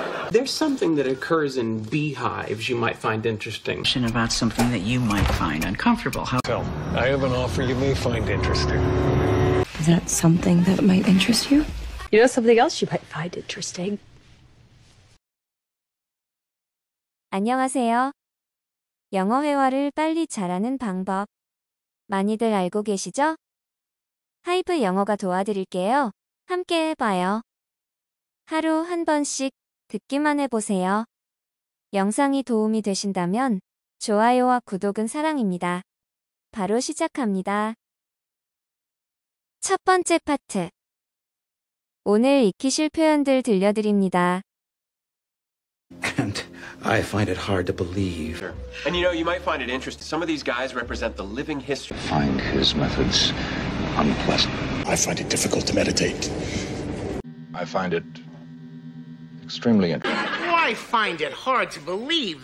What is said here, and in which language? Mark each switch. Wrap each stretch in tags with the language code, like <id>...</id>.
<en>There's something that occurs in beehives you might find interesting. About something that you might find uncomfortable. So, I have an offer you may find interesting. Is that something that might interest you? You know something else you might find interesting?</en> <ko>안녕하세요. 영어 회화를 빨리 잘하는 방법. 많이들 알고 계시죠? 하이브 영어가 도와드릴게요. 함께 해봐요. 하루 한 번씩. 듣기만 해보세요. 영상이 도움이 되신다면 좋아요와 구독은 사랑입니다. 바로 시작합니다. 첫 번째 파트. 오늘 익히실 표현들 들려드립니다.</ko> <en>And I find it hard to believe. And you know, you might find it interesting. Some of these guys represent the living history. Find his methods unpleasant. I find it difficult to meditate. I find it extremely interesting. Oh, I find it hard to believe.</en>